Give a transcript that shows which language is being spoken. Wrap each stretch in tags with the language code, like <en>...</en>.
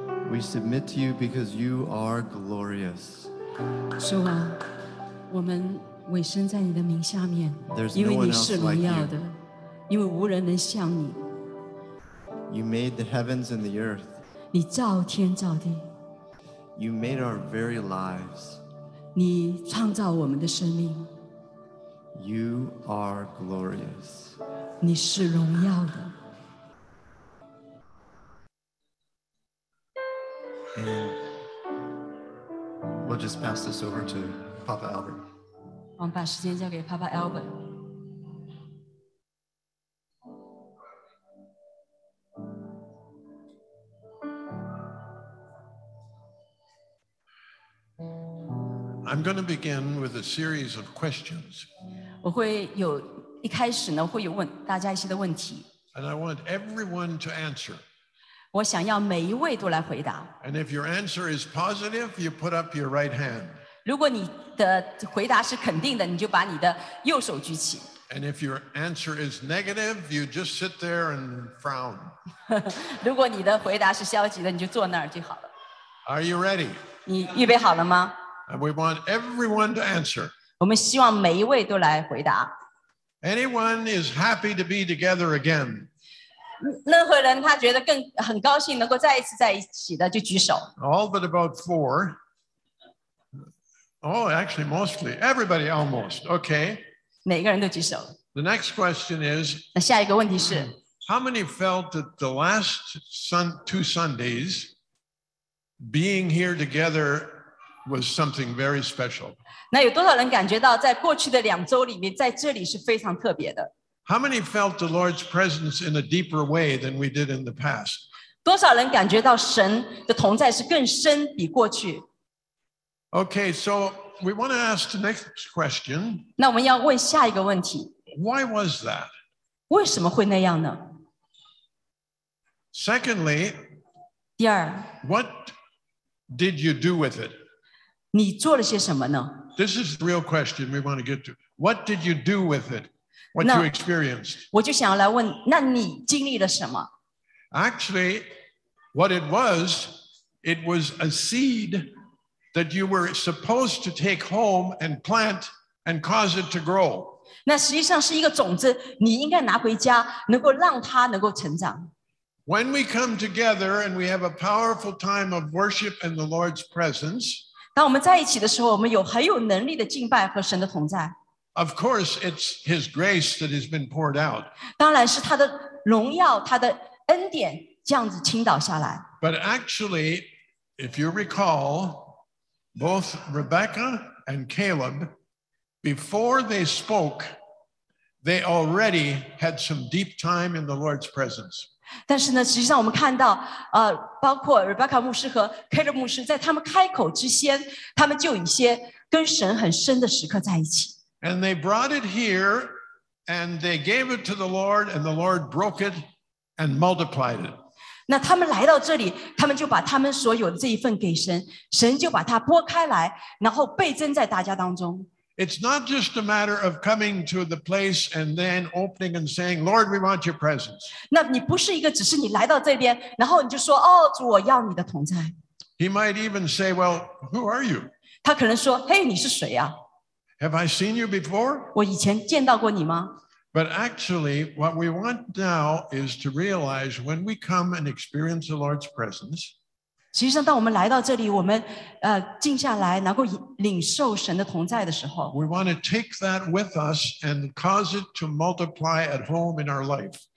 <en>We submit to you because you are glorious.</en> <zh>主啊，我们委身在你的名下面。</zh> <en>There's no one else like you.</en> <zh>因为无人能像你。</zh> <en>You made the heavens and the earth.</en> <zh>你造天造地。</zh> <en>You made our very lives.</en> <zh>你创造我们的生命。</zh> <en>You are glorious.</en> <zh>你是荣耀的。</zh> <en>Just pass this over to Papa Albert.</en> <zh>我们把时间交给 Papa Albert.</zh> <en>I'm going to begin with a series of questions.</en> <zh>我会有一开始呢，会有问大家一些的问题。</zh> <en>And I want everyone to answer.</en> <zh>我想要每一位都来回答。</zh> <en>And if your answer is positive, you put up your right hand.</en> <zh>如果你的回答是肯定的，你就把你的右手举起。</zh> <en>And if your answer is negative, you just sit there and frown.</en> <zh>如果你的回答是消极的，你就坐那儿就好了。</zh> <en>Are you ready?</en> <zh>你预备好了吗？</zh> <en>And we want everyone to answer.</en> <zh>我们希望每一位都来回答。</zh> <en>Anyone is happy to be together again?</en> <zh>任何人他觉得更很高兴能够再一次在一起的就举手。</zh> <en>All but about four. Oh, actually mostly. Everybody almost. Okay.</en> <zh>每个人都举手。</zh> <en>The next question is,</en> <zh>那下一个问题是,</zh> <en>How many felt that the last two Sundays being here together was something very special?</en> <zh>那有多少人感觉到在过去的两周里面在这里是非常特别的?</zh> <en>How many felt the Lord's presence in a deeper way than we did in the past?</en> <zh>多少人感觉到神的同在是更深比过去?</zh> <en>Okay, so,We want to ask the next question.</en> <zh>那我们要问下一个问题。</zh> <en>Why was that?</en> <zh>为什么会那样呢?</zh> <en>Secondly,</en> <zh>第二,</zh> <en>what did you do with it?</en> <zh>你做了些什么呢?</zh> <en>This is the real question we want to get to. What did you do with it? What you experienced?</en> <zh>我就想要来问,那你经历了什么?</zh> <en>Actually, what it was a seed. That you were supposed to take home and plant and cause it to grow.</en> <zh>那实际上是一个种子，你应该拿回家，能够让它能够成长。</zh> <en>When we come together and we have a powerful time of worship in the Lord's presence,</en> <zh>当我们在一起的时候，我们有很有能力的敬拜和神的同在。</zh> <en>Of course, it's His grace that has been poured out.</en> <zh>当然是他的荣耀，他的恩典这样子倾倒下来。</zh> <en>But actually, if you recall. Both Rebecca and Caleb, before they spoke, they already had some deep time in the Lord's presence.</en> <zh>但是呢，实际上我们看到，包括 Rebecca 牧师和 Caleb 牧师，在他们开口之前，他们就有一些跟神很深的时刻在一起。</zh> <en>And they brought it here, and they gave it to the Lord, and the Lord broke it and multiplied it.</en> <zh>那他们来到这里，他们就把他们所有的这一份给神，神就把它拨开来，然后倍增在大家当中。</zh> <en>It's not just a matter of coming to the place and then opening and saying, Lord, we want your presence.</en> <zh>那你不是一个只是你来到这边，然后你就说，哦，主，我要你的同在。</zh> <en>He might even say, well, who are you?</en> <zh>他可能说，嘿，你是谁啊？</zh> <en>Have I seen you before?</en> <zh>我以前见到过你吗？</zh> <en>But actually, what we want now is to realize when we come and experience the Lord's presence,</en> <zh>实际上当我们来到这里，我们静下来，能够领受神的同在的时候，</zh> <en>we want to take that with us and cause it to multiply at home in our life.</en>